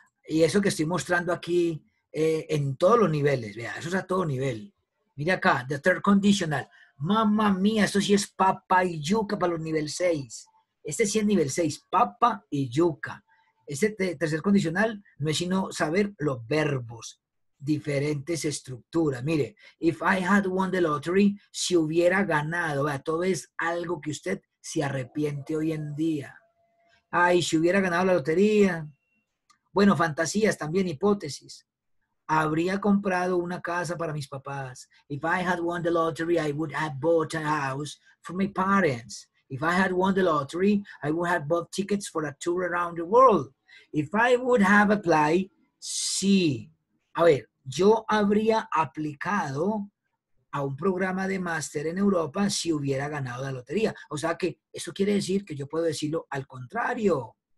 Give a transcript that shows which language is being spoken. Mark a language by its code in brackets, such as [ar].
[es] Y eso que estoy mostrando aquí en todos los niveles, vea, eso es a todo nivel. Mira acá, [en] the third conditional. [es] Mamma mía, esto sí es papa y yuca para los nivel 6. Este sí es nivel 6, papa y yuca. Este tercer condicional no es sino saber los verbos, diferentes estructuras. Mire, [en] if I had won the lottery, [es] si hubiera ganado. Vea, todo es algo que usted se arrepiente hoy en día. Ay, si hubiera ganado la lotería. Bueno, fantasías también, hipótesis. Habría comprado una casa para mis papás. [en] If I had won the lottery, I would have bought a house for my parents. If I had won the lottery, I would have bought tickets for a tour around the world. If I would have applied, sí. [es] A ver, yo habría aplicado a un programa de máster en Europa si hubiera ganado la lotería. O sea que eso quiere decir que yo puedo decirlo al contrario.